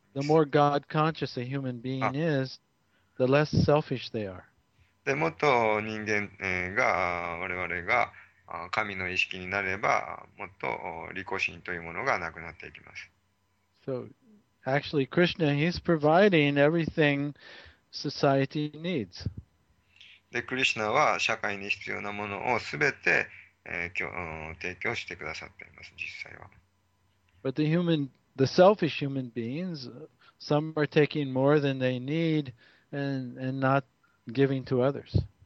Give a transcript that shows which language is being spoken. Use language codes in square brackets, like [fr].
[en] The more God conscious a human being is, the less selfish they are. [ja] でもっと人間が、我々が、神の意識になれば、もっと利己心というものがなくなっていきます。 [en] So, actually, Krishna, he's providing everything society needs. [ja] で、クリシュナは社会に必要なものをすべて、提供してくださっています、実際は。 [en] But the human, the selfish human beings, some are taking more than they need and not giving to others.